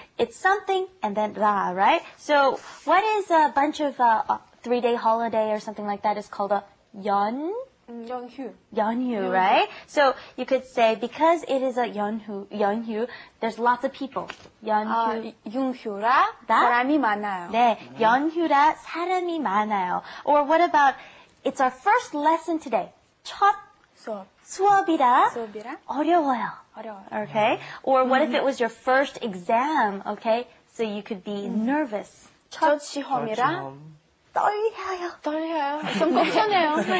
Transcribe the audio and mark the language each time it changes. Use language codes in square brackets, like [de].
[en] It's something and then 라, right? So what is a bunch of 3-day holiday or something like that is called a 연? [ko] 연휴, [en] right? So you could say because it is a 연휴, there's lots of people. [ko] 연휴라 사람이 많아요. 네, 연휴라 사람이 많아요. [en] Or what about it's our first lesson today? [ko] 첫 수업이라 어려워요. 어려워요. [en] Okay. Or what if it was your first exam? Okay. So you could be nervous. [ko] 첫 시험이라 떨려요. 좀 걱정해요.